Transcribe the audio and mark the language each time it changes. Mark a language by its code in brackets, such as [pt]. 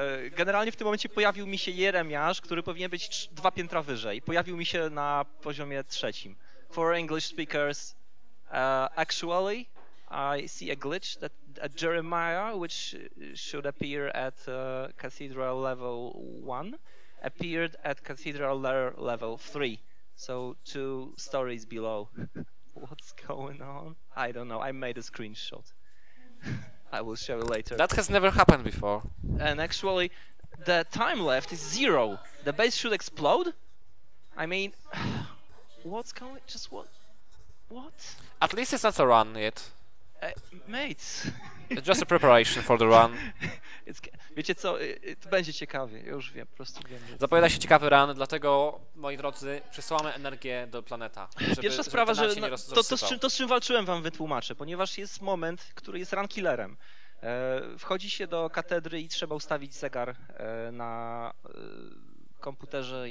[pl] Generalnie w tym momencie pojawił mi się Jeremiasz, który powinien być dwa piętra wyżej. Pojawił mi się na poziomie trzecim. [en] For English speakers, actually... I see a glitch that at Jeremiah, which should appear at Cathedral level 1, appeared at Cathedral level 3. So two stories below. What's going on? I don't know. I made a screenshot. I will show it later. That has never happened before. And actually, the time left is zero. The base should explode? I mean, what's going on? Just what? What? At least it's not a run yet. Mates. It's just a preparation for the run. [pl] Wiecie co, to będzie ciekawie, już wiem, po prostu wiem. Zapowiada się ciekawy run, dlatego, moi drodzy, przesyłamy energię do planeta. Pierwsza sprawa, że to z czym walczyłem wam wytłumaczę, ponieważ jest moment, który jest run killerem. Wchodzi się do katedry i trzeba ustawić zegar na komputerze.